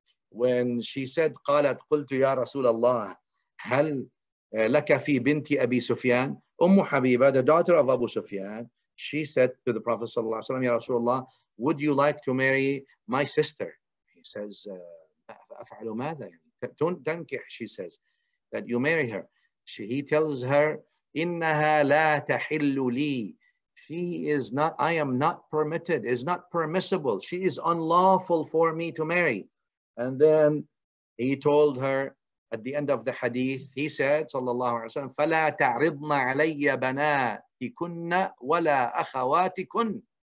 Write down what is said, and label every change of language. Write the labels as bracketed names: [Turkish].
[Arabic] When she said, قالت قلت يا رسول الله هل لك في بنت أبي سفيان, حبيبة, [English] the daughter of Abu Sufyan, she said to the Prophet [Arabic] صلى الله عليه وسلم, يا رسول الله, [English] would you like to marry my sister? He says, [Arabic] أفعل ماذا؟ [English] Don't تنكح, she says, that you marry her. He tells her, [Arabic] إنها لا تحل لي. [English] She is not, I am not permitted, is not permissible. She is unlawful for me to marry. And then he told her at the end of the hadith, he said, sallallahu alayhi wa sallam, [Arabic] فَلَا تَعْرِضْنَ عَلَيَّ بَنَاتِكُنَّ وَلَا أَخَوَاتِكُنَّ.